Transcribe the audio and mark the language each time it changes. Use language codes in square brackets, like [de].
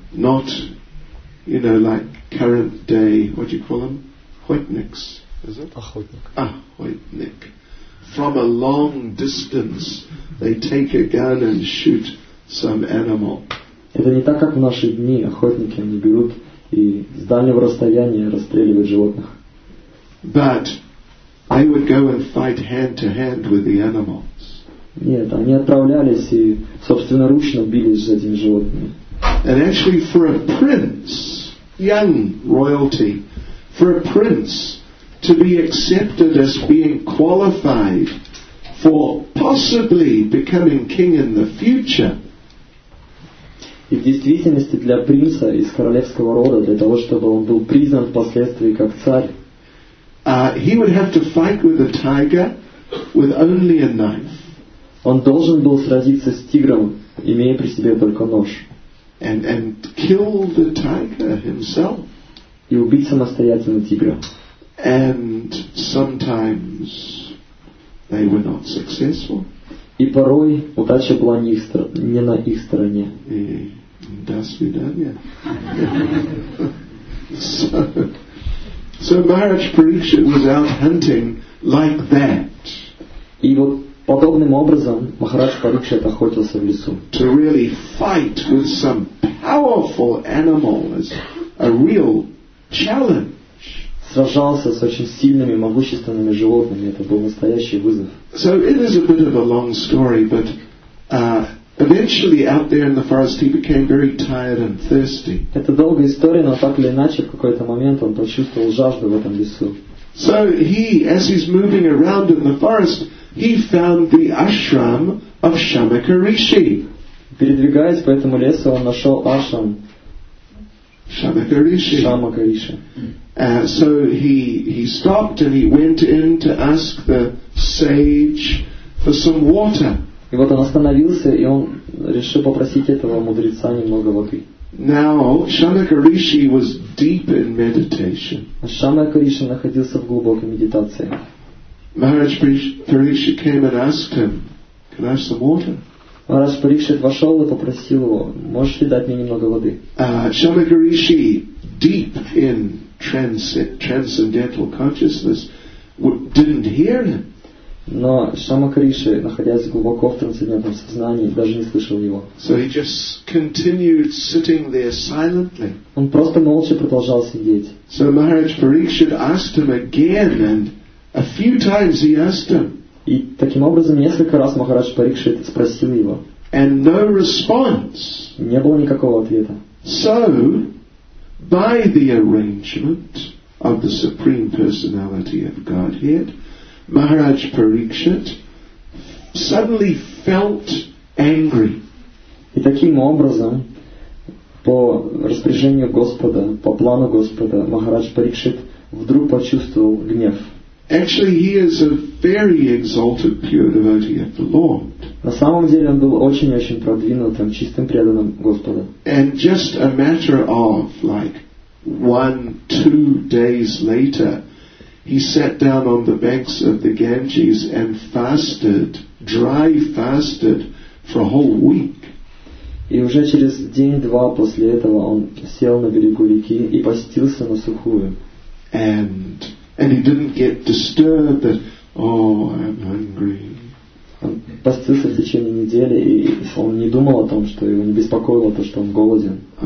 [en] Not, you know, like current day, what do you call them? [ru] Охотникс. [en] Is it? [ru] Охотник. Охотник. [en] From a long distance, they take a gun and shoot some animal. [ru] Это не так, как в наши дни. Охотники, они берут и с дальнего расстояния расстреливают животных. [en] But I would go and fight hand to hand with the animals. [ru] Нет, они отправлялись и собственноручно бились за этими животными. [en] And actually for a prince, young royalty, for a prince to be accepted as being qualified for possibly becoming king in the future. [ru] И в действительности для принца из королевского рода, для того, чтобы он был признан впоследствии как царь, [en] he would have to fight with a tiger with only a knife. [ru] Он должен был сразиться с тигром, имея при себе только нож. [en] And kill the tiger himself. [ru] И убить самостоятельно тигра. [en] And sometimes they were not successful. [ru] И порой удача была не, не на их стороне. И до свидания. [en] So Maharaj Parikshit was out hunting like that. [ru] И вот подобным образом Махарадж Парикшит охотился в лесу. [en] To really fight with some powerful animal is a real challenge. [ru] Сражался с очень сильными, могущественными животными. Это был настоящий вызов. [en] So it is a bit of a long story, but eventually out there in the forest he became very tired and thirsty. [ru] Это долгая история, но так или иначе в какой-то момент он почувствовал жажду в этом лесу. [en] So he, as he's moving around in the forest, he found the ashram of Shamaka Rishi. [ru] Передвигаясь по этому лесу, он нашел ашрам [en] Shamaka Rishi. Shamaka Rishi. So he stopped and he went in to ask the sage for some water. [ru] И вот он остановился, и он решил попросить этого мудреца немного воды. [en] Now Shamaka Rishi was deep in meditation. [ru] Shamaka Rishi находился в глубокой медитации. [en] Maharaj Parikshit came and asked him, "Can I have some water?" [ru] Maharaj Parikshit вошел и попросил его, "Можешь ли дать мне немного воды?" [en] Shamaka Rishi, deep in transcendental consciousness, didn't hear him. [ru] Но Шамака Риши, находясь глубоко в трансцендентном сознании, даже не слышал его. [en] So he just continued sitting there silently. [ru] Он просто молча продолжал сидеть. [en] So Maharaj Parikshit asked him again, and a few times he asked him. [ru] И таким образом несколько раз Махарадж Парикшит спросил его. [en] And no response. [ru] Не было никакого ответа. [en] So, by the arrangement of the Supreme Personality of Godhead, Maharaj Parikshit suddenly felt angry. [ru] И таким образом, по распоряжению Господа, по плану Господа, Махарадж Парикшит вдруг почувствовал гнев. [en] Actually, he is a very exalted pure devotee of the Lord. [ru] На самом деле он был очень-очень продвинутым, чистым преданным Господа. [en] And just a matter of like 1-2 days later, he sat down on the banks of the Ganges and fasted, dry fasted, for a whole week. [ru] И уже через день-два после этого он сел на берегу реки и постился на сухую. [en] And he didn't get disturbed that, oh, I'm hungry. [ru] Он постился в течение недели, и он не думал о том, что его не беспокоило то, что он голоден.